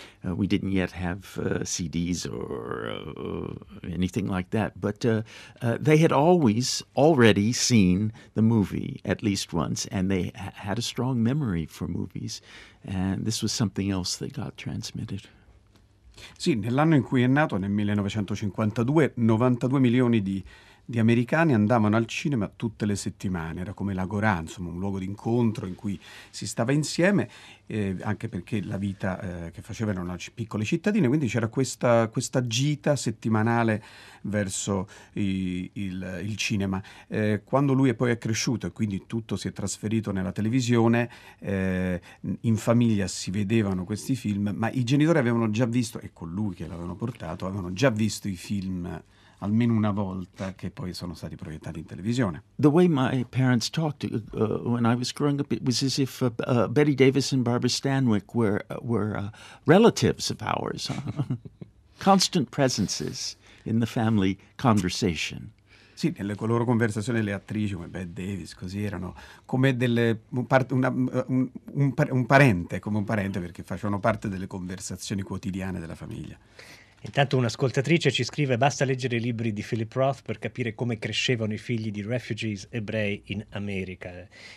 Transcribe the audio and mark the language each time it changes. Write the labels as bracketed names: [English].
[English] We didn't yet have CDs or anything like that, but they had always already seen the movie at least once, and they had a strong memory for movies, and this was something else that got transmitted. [Italian] Sì, nell'anno in cui è nato, nel 1952, 92 milioni di americani andavano al cinema tutte le settimane. Era come l'agorà, insomma, un luogo di incontro in cui si stava insieme, anche perché la vita che facevano erano piccole cittadine, quindi c'era questa gita settimanale verso il cinema. Quando lui poi è cresciuto e quindi tutto si è trasferito nella televisione, in famiglia si vedevano questi film, ma i genitori avevano già visto, e con lui che l'avevano portato, avevano già visto i film almeno una volta che poi sono stati proiettati in televisione. [English] The way my parents talked when I was growing up, it was as if Betty Davis and Barbara Stanwyck were relatives of ours. Constant presences in the family conversation. [Italian] Sì, nelle loro conversazioni le attrici come Bette Davis, così, erano come delle un parente, perché facevano parte delle conversazioni quotidiane della famiglia. Intanto un'ascoltatrice ci scrive: basta leggere i libri di Philip Roth per capire come crescevano i figli di refugees ebrei in America.